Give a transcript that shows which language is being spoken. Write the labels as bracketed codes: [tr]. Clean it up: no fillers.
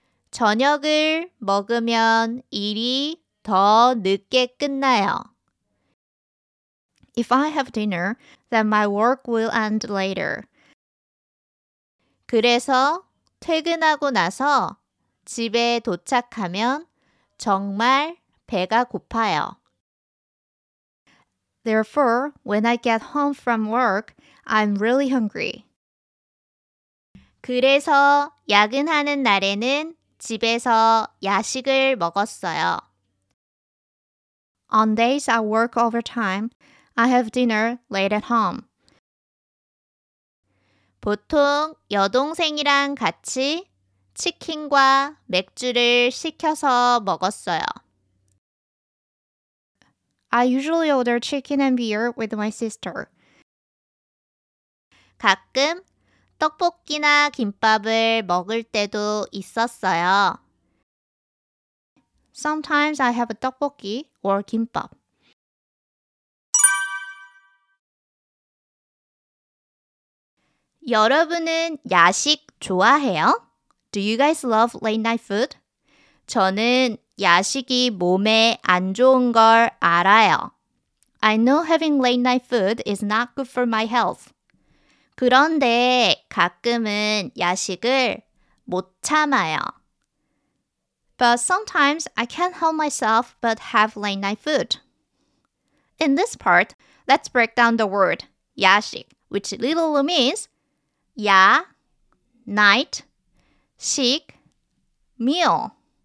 [ko] 저녁을 먹으면 일이 더 늦게 끝나요. [en] If I have dinner, then my work will end later. [ko] 그래서 퇴근하고 나서 집에 도착하면 정말 배가 고파요. [en] Therefore, when I get home from work, I'm really hungry. [ko] 그래서 야근하는 날에는 집에서 야식을 먹었어요. [en] On days I work overtime, I have dinner late at home. [ko] 보통 여동생이랑 같이 치킨과 맥주를 시켜서 먹었어요. [en] I usually order chicken and beer with my sister. [ko] 가끔 떡볶이나 김밥을 먹을 때도 있었어요. [en] Sometimes I have a 떡볶이 or 김밥. [ko] 여러분은 야식 좋아해요? [en] Do you guys love late night food? [ko] 저는 야식이 몸에 안 좋은 걸 알아요. [en] I know having late night food is not good for my health. [ko] 그런데 가끔은 야식을 못 참아요. [en] But sometimes I can't help myself but have late night food. In this part, let's break down the word 야식, which literally means 야, night, 식, meal.